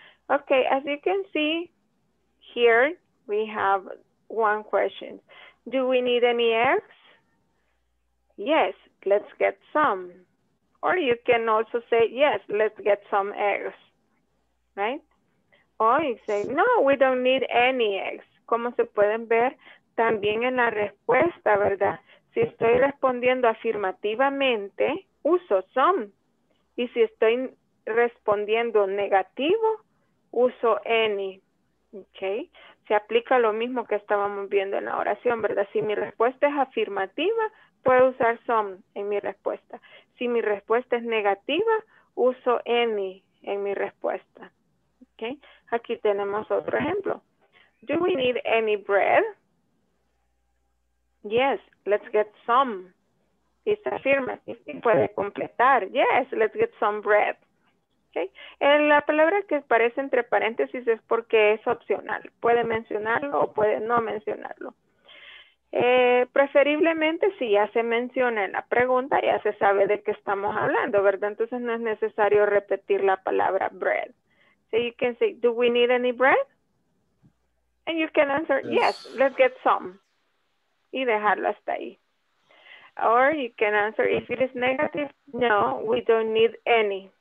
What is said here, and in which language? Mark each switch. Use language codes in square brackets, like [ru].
[en] Okay, as you can see here, we have one question. Do we need any eggs? Yes, let's get some. Or you can also say, yes, let's get some eggs, right? Or you say, no, we don't need any eggs. [es] Como se pueden ver, también en la respuesta, ¿verdad? Si estoy respondiendo afirmativamente, uso some. Y si estoy respondiendo negativo, uso any. Okay. Se aplica lo mismo que estábamos viendo en la oración, ¿verdad? Si mi respuesta es afirmativa, puedo usar some en mi respuesta. Si mi respuesta es negativa, uso any en mi respuesta. Okay. Aquí tenemos otro ejemplo. [en] Do we need any bread? Yes, let's get some. It's affirmative. [es] Y puede completar. [en] Yes, let's get some bread. Okay. [es] En la palabra que aparece entre paréntesis es porque es opcional. Puede mencionarlo o puede no mencionarlo. Preferiblemente si ya se menciona en la pregunta, ya se sabe de qué estamos hablando, ¿verdad? Entonces no es necesario repetir la palabra bread. [en] So you can say, do we need any bread? And you can answer, yes, let's get some. [es] Y dejarlo hasta ahí. [en] Or you can answer, if it is negative, no, we don't need any.